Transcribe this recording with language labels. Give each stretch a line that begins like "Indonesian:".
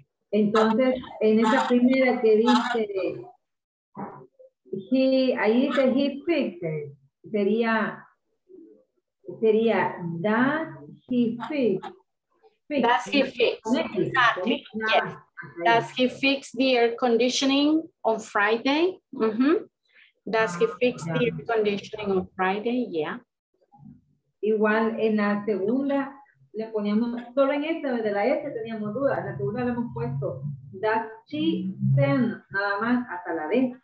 Spanish: Entonces, en esa primera que dice, ahí dice
English: he fixed,
Spanish: sería
English: does he fix the air conditioning on Friday? Mm-hmm. Does he fix the air conditioning on Friday? Yeah.
Spanish: Igual en la segunda le poníamos solo en esta de la S teníamos dudas. En la segunda le hemos puesto does she send nada más hasta la D.